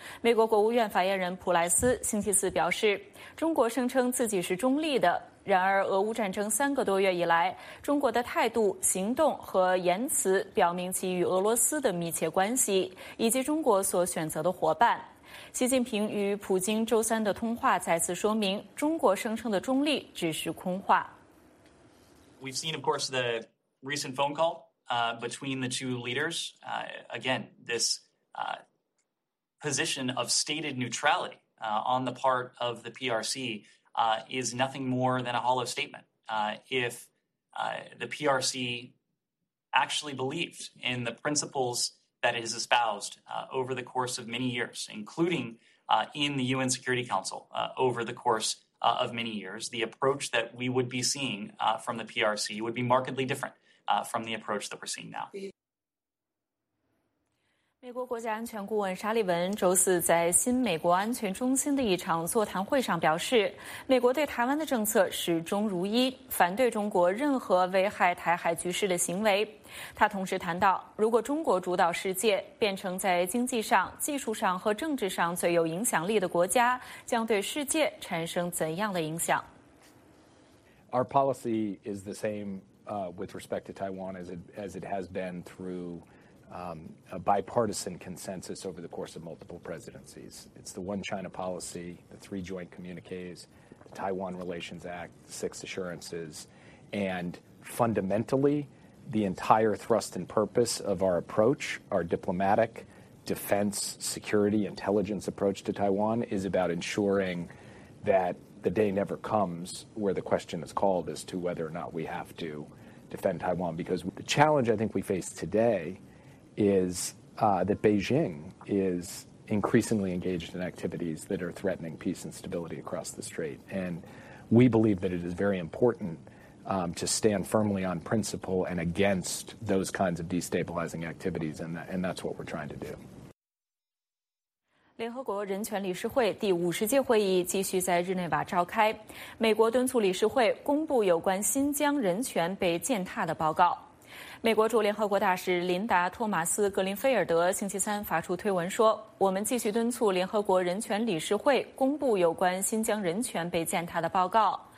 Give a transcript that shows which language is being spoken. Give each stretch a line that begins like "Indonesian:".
Chinese: 美国国务院发言人普莱斯星期四表示，中国声称自己是中立的，然而俄乌战争三个多月以来，中国的态度、行动和言辞表明其与俄罗斯的密切关系，以及中国所选择的伙伴。习近平与普京周三的通话再次说明，中国声称的中立只是空话。
English: We've seen, of course, the recent phone call between the two leaders. Again, this position of stated neutrality on the part of the PRC is nothing more than a hollow statement. If the PRC actually believed in the principles that it has espoused over the course of many years, including in the UN Security Council over the course of many years, the approach that we would be seeing from the PRC would be markedly different from the approach that we're seeing now.
Chinese: 美国国家安全顾问沙利文周四在新美国安全中心的一场座谈会上表示，美国对台湾的政策始终如一，反对中国任何危害台海局势的行为。他同时谈到，如果中国主导世界，变成在经济上、技术上和政治上最有影响力的国家，将对世界产生怎样的影响。
English: Our policy is the same with respect to Taiwan as it has been througha bipartisan consensus over the course of multiple presidencies. It's the One China policy, the three joint communiques, the Taiwan Relations Act, the six assurances, and fundamentally, the entire thrust and purpose of our approach, our diplomatic, defense, security, intelligence approach to Taiwan is about ensuring that the day never comes where the question is called as to whether or not we have to defend Taiwan. Because the challenge I think we face today is that Beijing is increasingly engaged in activities that are threatening peace and stability across the strait. And we believe that it is very important to stand firmly on principle and against those kinds of destabilizing activities, and that's what we're trying to do.
Chinese: 联合国人权理事会第50届会议继续在日内瓦召开，美国敦促理事会公布有关新疆人权被践踏的报告。美国驻联合国大使琳达·托马斯·格林菲尔德星期三发出推文说，我们继续敦促联合国人权理事会公布有关新疆人权被践踏的报告。